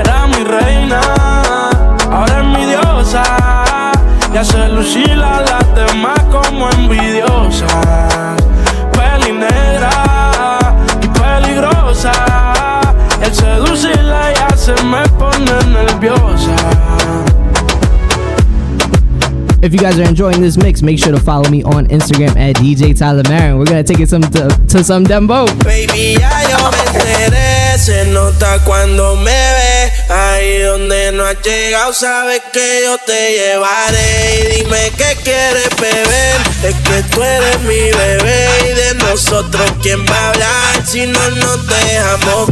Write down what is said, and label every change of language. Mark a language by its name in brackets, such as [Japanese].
[Spanish] Era mi reina, ahora es mi diosa. Y hace lucir a las demás como envidiosas. Peli negra y peligrosa. El seducirla ya se me pone nerviosa. [English] If you guys are enjoying this mix, make sure to follow me on Instagram at DJ Tyler Marin. We're gonna take it some to some dembow. [Spanish] Baby, ya yo me enteré, se nota. asusta cuando me ve. Ahí donde no has llegado, sabes que yo te llevaré. Y dime qué quieres beber. Es que tú eres mi bebé. Y de nosotros, ¿quién va a hablar si no nos dejamos?